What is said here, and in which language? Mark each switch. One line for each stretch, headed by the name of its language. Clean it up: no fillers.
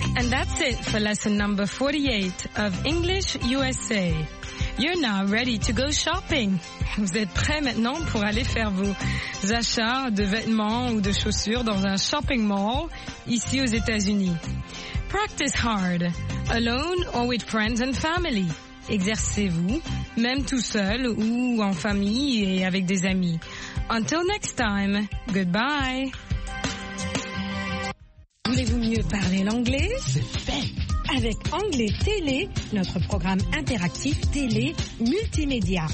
English: That's it for lesson number 48 of English USA. You're now ready to go shopping.
French: Vous êtes prêts maintenant pour aller faire vos achats de vêtements ou de chaussures dans un shopping mall ici aux États-Unis.
English: Practice hard, alone or with friends and family.
French: Exercez-vous, même tout seul ou en famille et avec des amis.
English: Until next time, goodbye.
French: Voulez-vous mieux parler l'anglais? C'est fait! Avec Anglais Télé, notre programme interactif télé multimédia.